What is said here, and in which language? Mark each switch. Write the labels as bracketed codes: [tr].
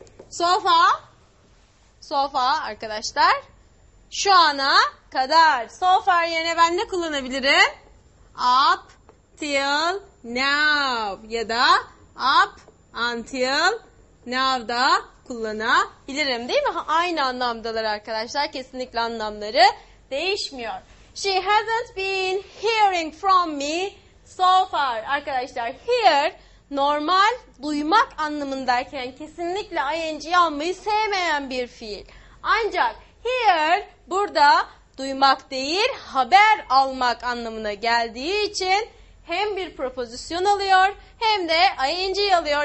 [en] So far [tr] arkadaşlar, şu ana kadar. [en] So far [tr] yerine ben ne kullanabilirim? [en] Up till now [tr] ya da [en] up until now [tr] da kullanabilirim, değil mi? Aynı anlamdalar arkadaşlar. Kesinlikle anlamları değişmiyor. [en] She hasn't been hearing from me so far. [tr] Arkadaşlar hear normal duymak anlamındayken kesinlikle ing'yi almayı sevmeyen bir fiil. Ancak hear burada duymak değil, haber almak anlamına geldiği için hem bir proposition alıyor hem de ing'yi alıyor.